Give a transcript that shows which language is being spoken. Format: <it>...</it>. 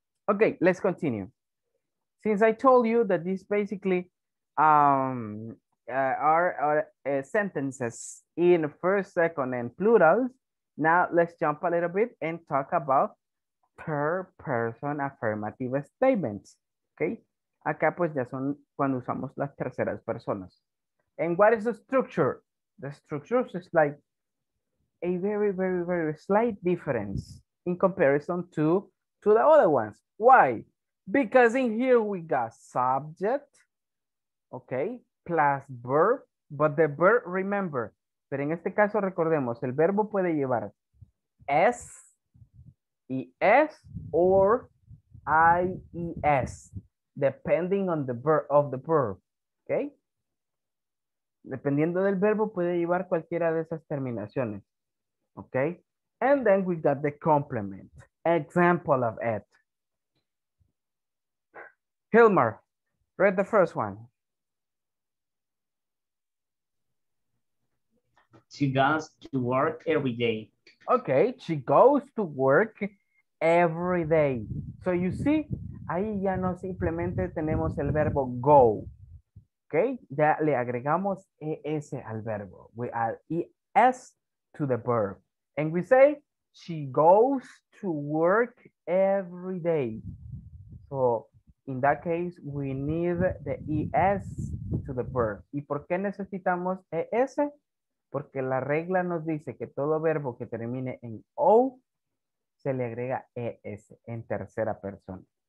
<en>Okay, let's continue. Since I told you that these basically are sentences in first, second, and plurals, now let's jump a little bit and talk about per person affirmative statements, okay?</en> <es>Acá pues ya son cuando usamos las terceras personas.</es> <en>And what is the structure? The structure is like a very, very, very slight difference in comparison to the other ones. Why? Because in here we got subject, okay, plus verb, but the verb, remember,</en> <es>pero en este caso recordemos, el verbo puede llevar S, ES,</es> <en>or IES, depending on the verb, of the verb, okay?</en> <es>Dependiendo del verbo puede llevar cualquiera de esas terminaciones, okay?</es> <en>And then we got the complement, example of it. Hilmar, read the first one. She goes to work every day. Okay, she goes to work every day. So you see,</en> <es>ahí ya no simplemente tenemos el verbo go. Okay, ya le agregamos ES al verbo.</es> <en>We add ES to the verb. And we say, she goes to work every day. So, in that case, we need the ES to the verb.</en> <es>¿Y por qué necesitamos ES? Porque la regla nos dice que todo verbo que termine en O se le agrega ES en tercera persona.</es>